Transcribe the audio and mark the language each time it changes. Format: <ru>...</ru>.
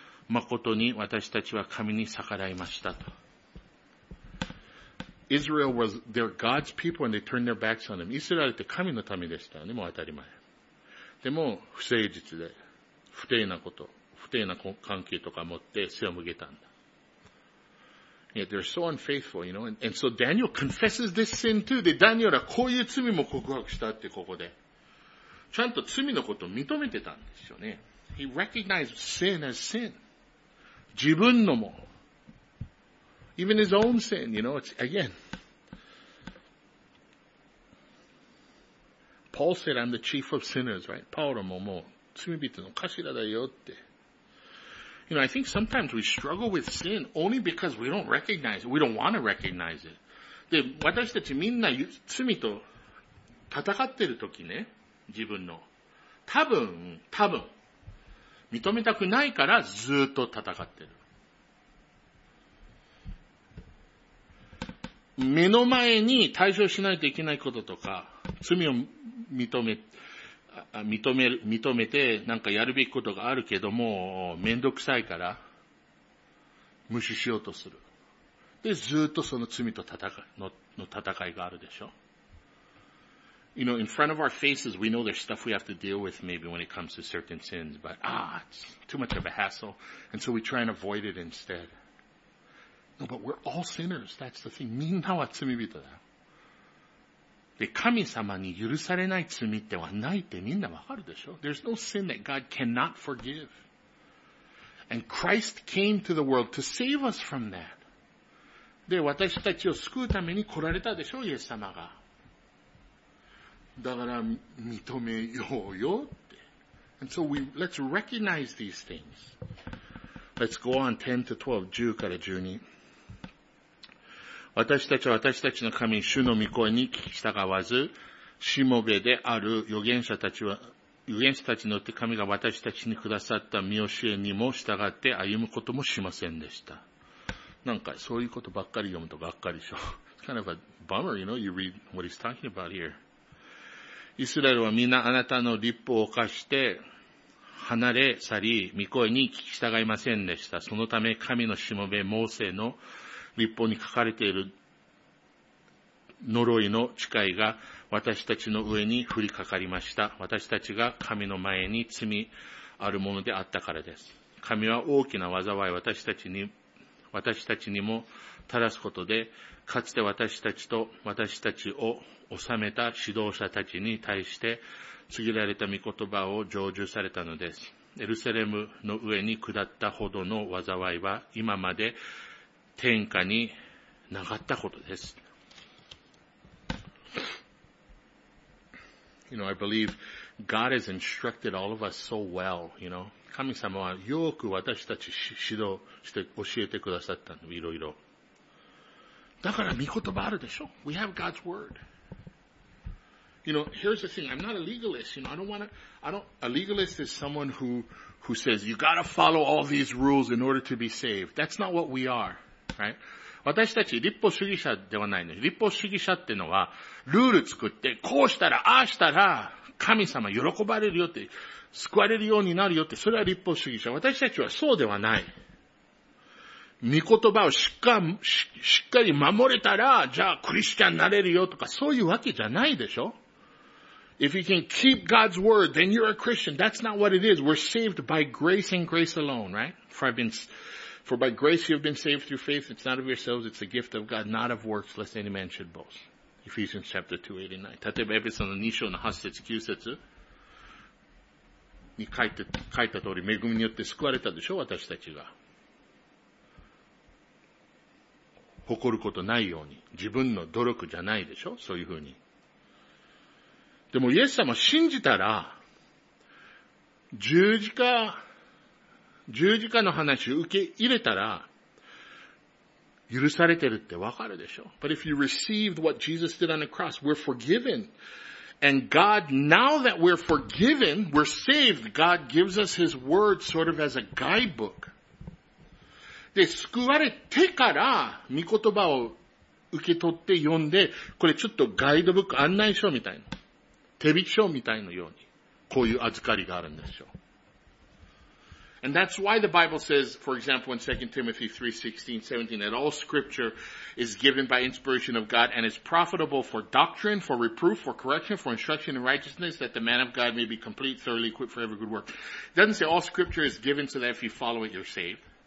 <ja>誠に私たちは神に逆らいましたと。</ja> <en>Israel was, they were God's people and they turned their backs on him.</en> <ja>イスラエルって神の民でしたね、もう当たり前。でも、不誠実で、不定なこと、不定な関係とか持って背を向けたんだ。</ja> <en>Yet they're so unfaithful, you know, and so Daniel confesses this sin too.</en> <ja>で、ダニエルはこういう罪も告白したってここで。ちゃんと罪のことを認めてたんですよね。</ja> <en>He recognized sin as sin.</en> <ja>自分のも。</ja> <en>Even his own sin, you know, it's again. Paul said, I'm the chief of sinners, right?</en> <ja>Paul ももう罪人の頭だよって。</ja> <en>You know, I think sometimes we struggle with sin only because we don't recognize it. We don't want to recognize it.</en> <ja>で、私たちみんな罪と戦ってる時ね、自分の。多分、認めたくないからずっと戦ってる。目の前に対処しないといけないこととか、罪を認めて、なんかやるべきことがあるけども、めんどくさいから、無視しようとする。で、ずっとその罪と戦いがあるでしょ。</ja> <en>You know, in front of our faces, we know there's stuff we have to deal with maybe when it comes to certain sins, but, it's too much of a hassle, and so we try and avoid it instead. No, but we're all sinners. That's the thing.</en> <ja>みんなは罪人だ。で、神様に許されない罪ってはないってみんなわかるでしょ?</ja> <en>There's no sin that God cannot forgive. And Christ came to the world to save us from that.</en> <ja>で、私たちを救うために来られたでしょ、イエス様が。だから、認めようよって。</ja> <en>And so let's recognize these things. Let's go on 10 to 12,</en> <ja>10から12。私たちは私たちの神、主の御声に聞き従わず、しもべである預言者たちによって神が私たちにくださった御教えにも従って歩むこともしませんでした。なんか、そういうことばっかり読むとばっかりでしょ。 It's kind of a bummer, you know, you read what he's talking about here. イスラエルはみんなあなたの律法を犯して、離れ去り、御声に聞き従いませんでした。そのため、神のしもべ、モーセの律法に書かれている呪いの誓いが私たちの上に降りかかりました。私たちが神の前に罪あるものであったからです。神は大きな災い私たちにも垂らすことで、かつて私たちを治めた指導者たちに対して告げられた御言葉を成就されたのです。エルサレムの上に下ったほどの災いは今まで天下になかったことです。</ja> <en>You know, I believe God has instructed all of us so well, you know.</en> <ja>神様はよく私たち指導して教えてくださったの、いろいろ。だから御言葉あるでしょ ?</ja> <en>We have God's word. You know, here's the thing, I'm not a legalist, you know, a legalist is someone who says, you gotta follow all these rules in order to be saved. That's not what we are. Right?</en> <ja>私たち立法主義者ではないの。立法主義者ってのは、ルール作って、こうしたら、ああしたら、神様喜ばれるよって、救われるようになるよって、それは立法主義者。私たちはそうではない。御言葉をしっかり守れたら、じゃあクリスチャンになれるよとか、そういうわけじゃないでしょ</ja> <en>?If you can keep God's word, then you're a Christian. That's not what it is. We're saved by grace and grace alone, right? For by grace you have been saved through faith, it's not of yourselves, it's a gift of God, not of works, lest any man should boast. Ephesians chapter 2, 89.</en> <ja>例えば、エペソの2章の8節、9節に書いた通り、恵みによって救われたでしょ、私たちが。誇ることないように、自分の努力じゃないでしょ、そういうふうに。でも、イエス様信じたら、十字架の話を受け入れたら、許されてるってわかるでしょ。</ja> <en>But if you received what Jesus did on the cross, we're forgiven. And God, now that we're forgiven, we're saved, God gives us His word sort of as a guidebook.</en> <ja>で、救われてから、御言葉を受け取って読んで、これちょっとガイドブック案内書みたいな。手引き書みたいなように、こういう預かりがあるんですよ。</ja> <en>And that's why the Bible says, for example, in 2 Timothy 3:16, 17, that all scripture is given by inspiration of God and is profitable for doctrine, for reproof, for correction, for instruction in righteousness, that the man of God may be complete, thoroughly equipped for every good work. It doesn't say all scripture is given so that if you follow it, you're saved.</en>